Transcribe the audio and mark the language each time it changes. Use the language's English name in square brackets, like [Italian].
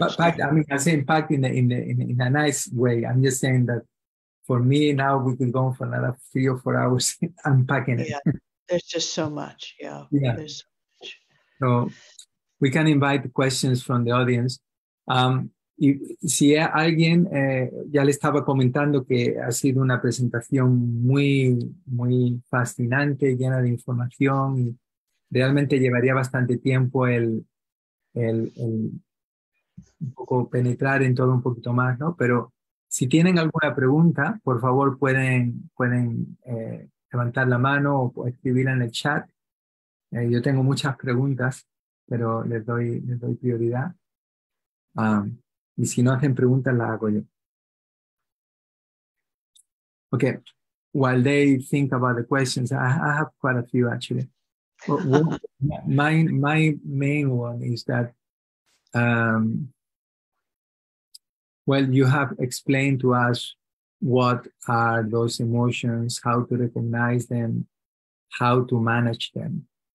[English] But packed, I mean, I say packed in a nice way. I'm just saying that for me now, we could go on for another 3 or 4 hours unpacking it. Yeah, there's just so much, yeah. Yeah. There's so much. So, we can invite questions from the audience. [Spanish] Y si alguien, ya le estaba comentando que ha sido una presentación muy, muy fascinante, llena de información, y realmente llevaría bastante tiempo el un poco penetrar en todo un poquito más, ¿no? Pero si tienen alguna pregunta, por favor pueden levantar la mano o escribirla en el chat. Yo tengo muchas preguntas, pero les doy prioridad. Y si no hacen preguntas, las hago yo. [English] Okay, while they think about the questions, I have quite a few actually. my main one is that, well, you have explained to us what are those emotions, how to recognize them, how to manage them.